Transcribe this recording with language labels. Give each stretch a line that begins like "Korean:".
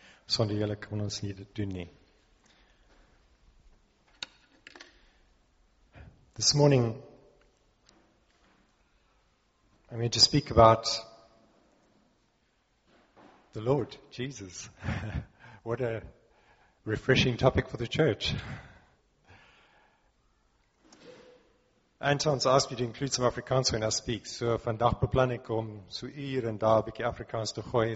Afrikaans: Sonder julle kan ons nie dit doen nie.
English: This morning, I'm going to speak about the Lord Jesus. What a refreshing topic for the church. Anton's asked me to include some Afrikaans when I speak.
Afrikaans: So vandag beplan ek om so uur en daar 'n bietjie Afrikaans te gooi.